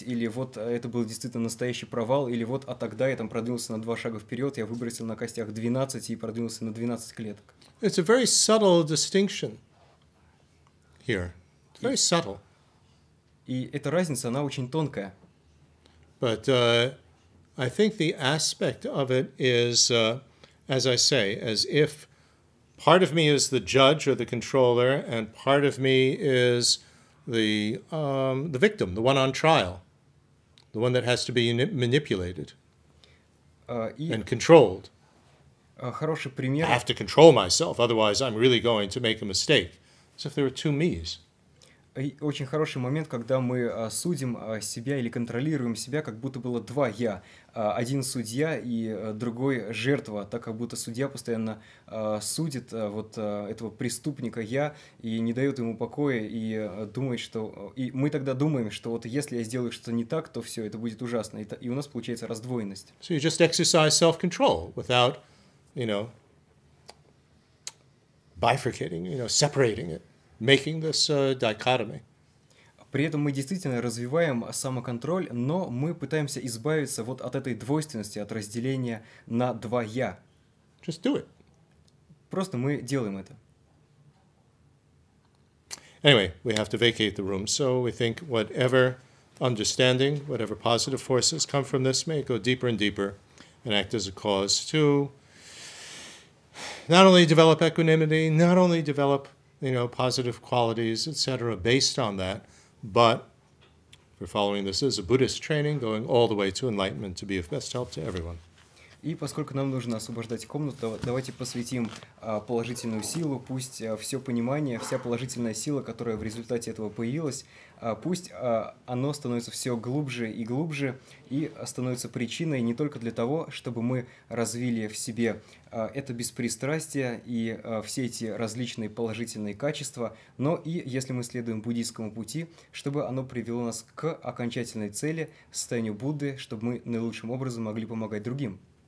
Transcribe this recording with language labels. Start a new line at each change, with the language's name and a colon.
Russian: или «Вот это был действительно настоящий провал», или «Вот, а тогда я там продвинулся на 2 шага вперед, я выбросил на костях 12 и продвинулся на 12 клеток».
English: It's a very subtle distinction here. It's very subtle.
Russian: И эта разница, она очень тонкая.
English: But I think the aspect of it is, as I say, as if part of me is the judge or the controller, and part of me is the victim, the one on trial, the one that has to be manipulated and controlled.
Russian: Хороший пример.
English: I have to control myself, otherwise I'm really going to make a mistake. As if there were two me's.
Russian: Очень хороший момент, когда мы судим себя или контролируем себя, как будто было 2 я. Один судья и другой жертва, так как будто судья постоянно судит вот этого преступника я и не дает ему покоя и думает, что... И мы тогда думаем, что вот если я сделаю что-то не так, то все, это будет ужасно. И у нас получается раздвоенность.
English: So you just exercise self-control without, you know, bifurcating, you know, separating it. Making this dichotomy.
Russian: При этом мы действительно развиваем самоконтроль, но мы пытаемся избавиться вот от этой двойственности, от разделения на 2 я.
English: Just do it.
Russian: Просто мы делаем это.
English: Anyway, we have to vacate the room, so we think whatever understanding, whatever positive forces come from this may go deeper and deeper and act as a cause to not only develop equanimity, not only develop, you know, positive qualities, etc., based on that, but we're following this as a Buddhist training, going all the way to enlightenment to be of best help to everyone.
Russian: И поскольку нам нужно освобождать комнату, давайте посвятим положительную силу, пусть все понимание, вся положительная сила, которая в результате этого появилась, пусть оно становится все глубже и становится причиной не только для того, чтобы мы развили в себе это беспристрастие и все эти различные положительные качества, но и, если мы следуем буддийскому пути, чтобы оно привело нас к окончательной цели, состоянию Будды, чтобы мы наилучшим образом могли помогать другим.